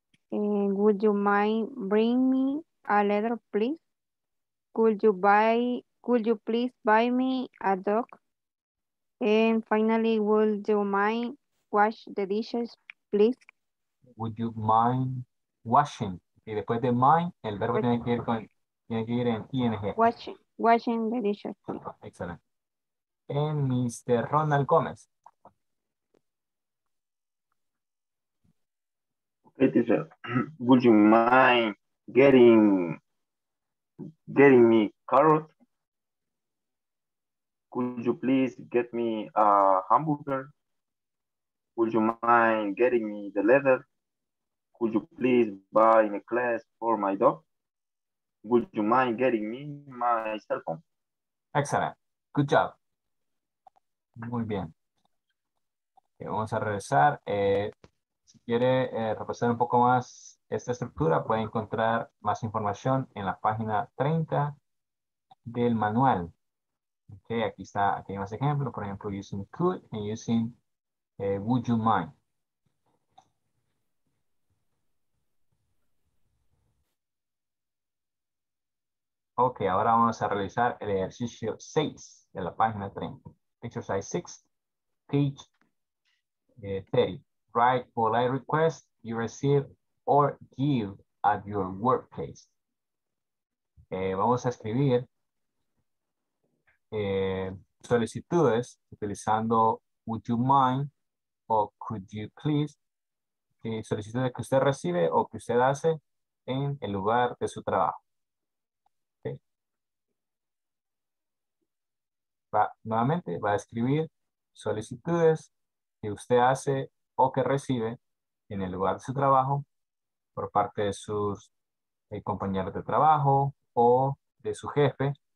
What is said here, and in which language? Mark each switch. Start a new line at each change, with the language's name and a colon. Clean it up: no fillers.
English: And would you mind bring me a letter, please? Could you please buy me a dog? And finally, would you mind wash the dishes, please? Would you mind washing?
Spanish: Y después de mind, el verbo tiene que ir con, tiene que ir en ing.
English: Washing. Washing the dishes. Excellent. And Mr. Ronald Gomez. Okay, teacher. Would you mind getting me carrot? Could you please get me a hamburger? Would you mind getting me the leather? Could you please buy a class for my dog? Would you mind getting me my cell phone? Excellent. Good job.
Spanish: Muy bien. Okay, vamos a regresar. Si quiere repasar un poco más esta estructura, puede encontrar más información en la página 30 del manual. Okay, aquí está, aquí hay más ejemplos. Por ejemplo,
English: using could and using would you mind.
Spanish: Ok, ahora vamos a realizar el ejercicio 6 de la página 30.
English: Exercise 6, page 30. Write polite requests you receive or give at your workplace.
Spanish: Vamos a escribir solicitudes utilizando
English: would you mind
Spanish: o
English: could you please.
Spanish: Solicitudes que usted recibe o que usted hace en el lugar de su trabajo. Va, nuevamente va a escribir solicitudes que usted hace o que recibe en el lugar de su trabajo por parte de sus compañeros de trabajo o de su jefe.